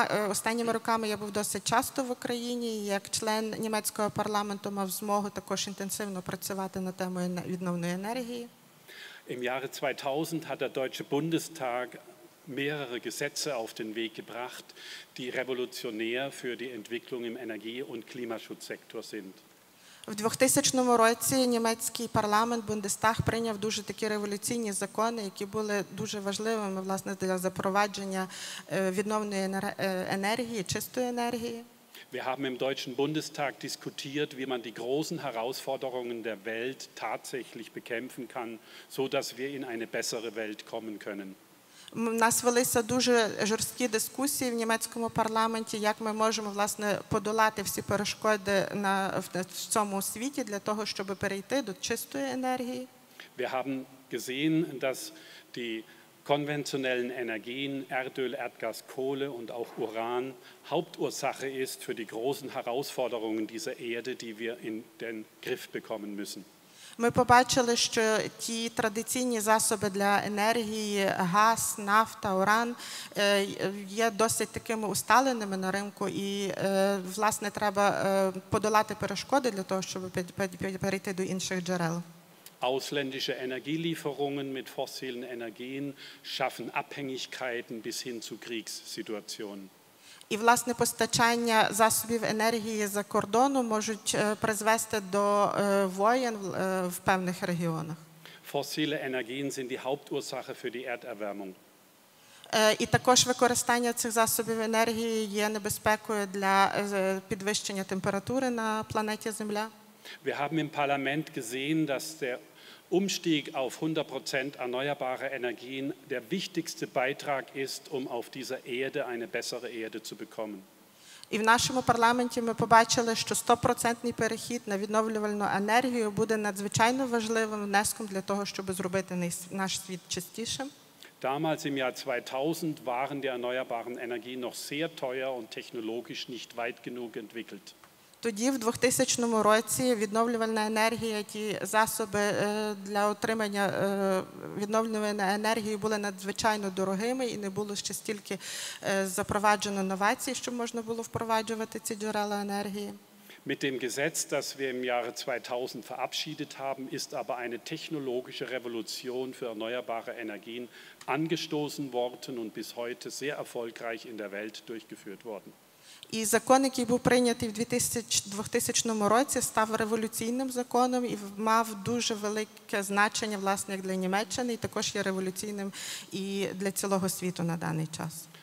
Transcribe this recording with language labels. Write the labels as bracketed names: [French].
[Ukrainian] Останніми роками я був досить часто в Україні, як член німецького парламенту мав змогу також інтенсивно працювати на тему відновної енергії. [German] Im Jahre 2000 hat der Deutsche Bundestag mehrere Gesetze auf den Weg gebracht, die revolutionär für die Entwicklung im Energie- und Klimaschutzsektor sind. [Ukrainian] В 2000 році німецький парламент Бундестаг прийняв дуже такі революційні закони, які були дуже важливими, власне, для запровадження відновної енергії, чистої енергії. [German] Wir haben im Deutschen Bundestag diskutiert, wie man die großen Herausforderungen der Welt tatsächlich bekämpfen kann, so dass wir in eine bessere Welt kommen können. [Ukrainian] У нас велися дуже жорсткі дискусії в німецькому парламенті, як ми можемо, власне, подолати всі перешкоди в цьому світі для того, щоб перейти до чистої енергії. [German] Wir haben gesehen, dass die konventionellen Energien Erdöl, Erdgas, Kohle und auch Uran Hauptursache ist für die großen Herausforderungen dieser Erde, die wir in den Griff bekommen müssen. [Ukrainian] Ми побачили, що ті традиційні засоби для енергії, газ, нафта, уран, є досить такими усталеними на ринку і, власне, треба подолати перешкоди для того, щоб перейти до інших джерел. [German] Ausländische Energielieferungen mit fossilen Energien schaffen Abhängigkeiten bis hin zu Kriegssituationen. [Ukrainian] І, власне, постачання засобів енергії за кордону можуть призвести до воєн в певних регіонах. [German] Fossile Energien sind die Hauptursache für die Erderwärmung. [Ukrainian] І також використання цих засобів енергії є небезпекою для підвищення температури на планеті Земля. [German] Wir haben im Parlament gesehen, dass der Umstieg auf 100% erneuerbare Energien der wichtigste Beitrag ist, um auf dieser Erde eine bessere Erde zu bekommen. [Ukrainian] І в нашому парламенті ми побачили, що 100% перехід на відновлювальну енергію буде надзвичайно важливим внеском для того, щоб зробити наш світ чистішим. [German] Damals im Jahr 2000 waren die erneuerbaren Energien noch sehr teuer und technologisch nicht weit genug entwickelt. [Ukrainian] Тоді, в 2000 році, відновлювальна енергія, ті засоби для отримання відновлювальної енергії були надзвичайно дорогими і не було ще стільки запроваджено новацій, щоб можна було впроваджувати ці джерела енергії. [German] Mit dem Gesetz, das wir im Jahre 2000 verabschiedet haben, ist aber eine technologische Revolution für erneuerbare Energien angestoßen worden und bis heute sehr erfolgreich in der Welt durchgeführt worden. [Ukrainian] І закон, який був прийнятий в 2000 році, став революційним законом і мав дуже велике значення, власне, для Німеччини, і також є революційним і для цілого світу на даний час.